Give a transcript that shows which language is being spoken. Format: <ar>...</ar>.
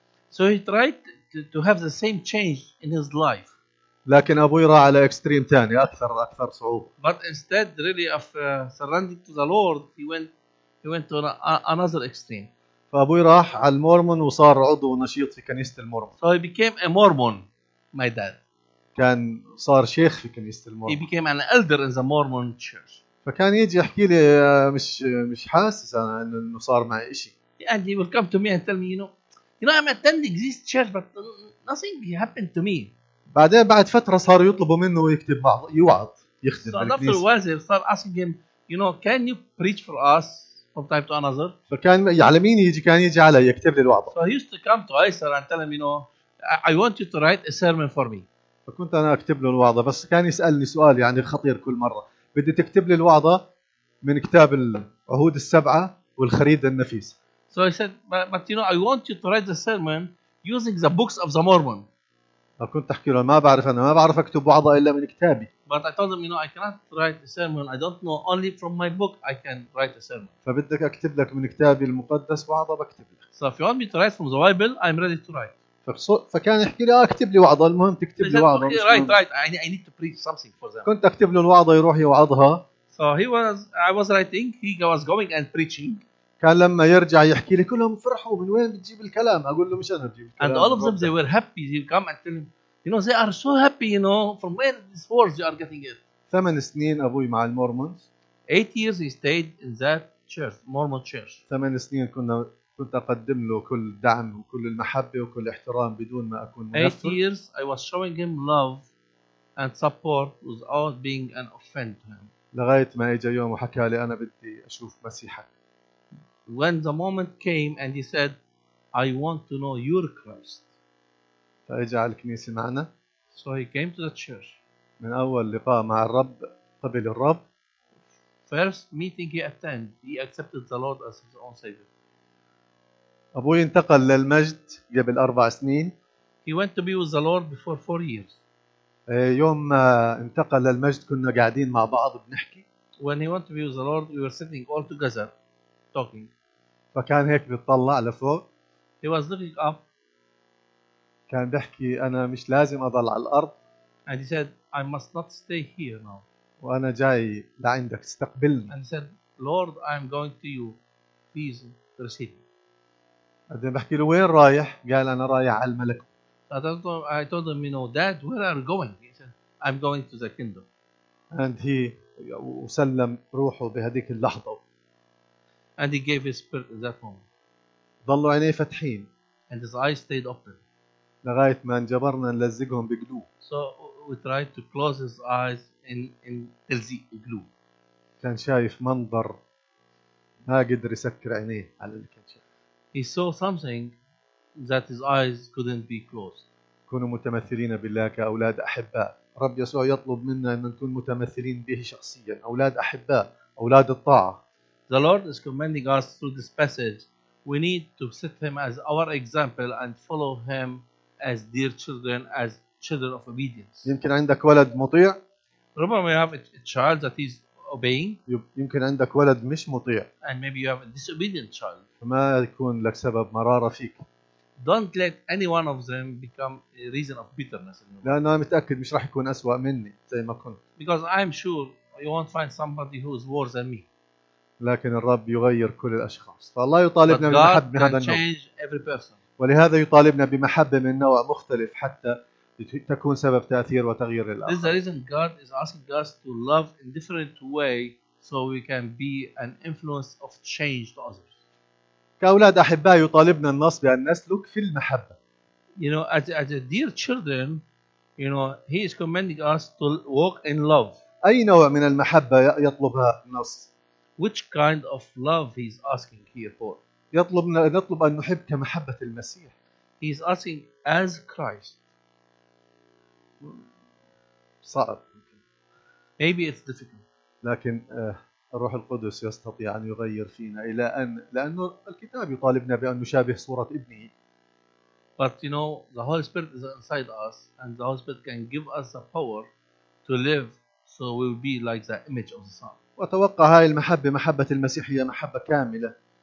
<en>So he tried to have the same change in his life.</en> <ar>لكن أبوي راح على إكستريم تاني أكثر صعوبة.</ar> <en>But instead really of surrendering to the Lord, he went to another extreme.</en> <ar>فأبوي راح على المورمون وصار عضو نشيط في كنيسة المورمون.</ar> <en>So he became a Mormon, my dad.</en> <ar>كان صار شيخ في كنيسة المورمون.</ar> <en>He became an elder in the Mormon church.</en> <ar>فكان يجي يحكي لي مش حاسس أنا إنه صار معي إشي.</ar> <en>And he will come to me and tell me, you know, I'm attending this church, but nothing happened to me.</en> <ar>بعدين بعد فترة صار يطلبوا منه يكتب بعض يوعظ يخدم</ar> <en>so</en> <ar>الكنيسة.</ar> <en>So after</en> <ar>صار</ar> <en>asking him, you know, can you preach for us from time to another?</en> <ar>فكان على مين يجي كان يجي علي يكتب لي الوعظة.</ar> <en>So he used to come to Iser and tell him, you know, I want you to write a sermon for me.</en> <ar>فكنت أنا أكتب له الوعظة بس كان يسألني سؤال يعني خطير كل مرة بدي تكتب لي الوعظة من كتاب العهود السبعة والخريدة النفيسة.</ar> <en>So I said, but you know, I want you to write the sermon using the books of the Mormon.</en> <ar>كنت أحكي له ما بعرف أكتب وعظة إلا من كتابي.</ar> <en>But I told him, you know, I cannot write a sermon. I don't know. Only from my book I can write a sermon.</en> <ar>فبدك أكتب لك من كتابي المقدس وعظة بكتب لك.</ar> <en>So if you want me to write from the Bible, I'm ready to write.</en> <ar>فكان يحكي لي أكتب لي وعظة المهم تكتب لي وعظة.</ar> <en>Right. I need to preach something for them.</en> <ar>كنت أكتب له الوعظة يروح يوعظها.</ar> <en>So I was writing. He was going and preaching.</en> <ar>كان لما يرجع يحكي لي كلهم فرحوا من وين بتجيب الكلام أقول له مش أنا بجيب الكلام.</ar> <en>And all of them they were happy. They come and tell him, you know, they are so happy, you know, from where these words you are getting it. 8 years</en> <ar>أبوي مع المورمونز.</ar> <en>8 years he stayed in that church, Mormon church. 8 years</en> <ar>كنت أقدم له كل دعم وكل المحبة وكل احترام بدون ما أكون منفر.</ar> <en>8 years I was showing him love and support without being an offend to him.</en> <ar>لغاية ما إجا يوم وحكى لي أنا بدي أشوف مسيحك.</ar> <en>When the moment came and he said, I want to know your Christ.</en> <ar>فاجا على الكنيسة معنا.</ar> <en>So he came to the church.</en> <ar>من أول لقاء مع الرب قبل الرب.</ar> <en>First meeting he attended, he accepted the Lord as his own savior.</en> <ar>أبوي انتقل للمجد قبل</ar> <en>4 years. He went to be with the Lord before 4 years.</en> <ar>يوم انتقل للمجد كنا قاعدين مع بعض بنحكي.</ar> <en>When he went to be with the Lord, we were sitting all together. Talking.</en> <ar>فكان هيك بيطلع لفوق.</ar> <en>He was looking up.</en> <ar>كان بحكي أنا مش لازم أضل على الأرض.</ar> <en>And he said, I must not stay here now.</en> <ar>وأنا جاي لعندك استقبلني.</ar> <en>And he said, Lord, I'm going to you. Please receive me.</en> <ar>بعدين بحكي له وين رايح؟ قال أنا رايح على الملك.</ar> <en>I told him, you know, Dad, where are you going? He said, I'm going to the kingdom. And he</en> <ar>وسلم روحه بهذيك اللحظة.</ar> <en>And he gave his spirit at that moment.</en> <ar>ظلوا عينيه فتحين.</ar> <en>And his eyes stayed open.</en> <ar>لغاية ما انجبرنا نلزقهم بقلوب.</ar> <en>So we tried to close his eyes in</en> <ar>تلزيق قلوب. كان شايف منظر ما قدر يسكر عينيه على اللي كان شايف.</ar> <en>He saw something that his eyes couldn't be closed.</en> <ar>كونوا متمثلين بالله كأولاد أحباء. رب يسوع يطلب منا أن نكون متمثلين به شخصياً، أولاد أحباء، أولاد الطاعة.</ar> <en>The Lord is commanding us through this passage. We need to set him as our example and follow him as dear children, as children of obedience.</en> <ar>يمكن عندك ولد مطيع.</ar> <en>Remember, we have a child that is obeying.</en> <ar>يمكن عندك ولد مش مطيع.</ar> <en>And maybe you have a disobedient child.</en> <ar>ما يكون لك سبب مرارة فيك.</ar> <en>Don't let any one of them become a reason of bitterness.</en> <ar>لا أنا متأكد مش راح يكون أسوأ مني زي ما كنت.</ar> <en>Because I'm sure you won't find somebody who is worse than me.</en> <ar>لكن الرب يغير كل الأشخاص. فالله يطالبنا بمحبة من هذا النوع. ولهذا يطالبنا بمحبة من نوع مختلف حتى تكون سبب تأثير وتغيير للآخر.</ar> <en>This is the reason God is asking us to love in different way so we can be an influence of change to others.</en> <ar>كأولاد أحباء يطالبنا النص بأن نسلك في المحبة.</ar> <en>You know, as dear children, you know, he is commanding us to walk in love.</en> <ar>أي نوع من المحبة يطلبها النص؟</ar> <en>Which kind of love he's asking here for?</en> <ar>نطلب أن نحب كمحبة المسيح.</ar> <en>He's asking as Christ.</en> <ar>صعب.</ar> <en>Maybe it's difficult.</en> <ar>لكن الروح القدس يستطيع أن يغير فينا إلى أن لأنه الكتاب يطالبنا بأن نشابه صورة ابنه.</ar> <en>But you know the Holy Spirit is inside us and the Holy Spirit can give us the power to live so we will be like the image of the Son.</en> <ar>وتوقع هاي المحبة محبة المسيح هي محبة كاملة.</ar>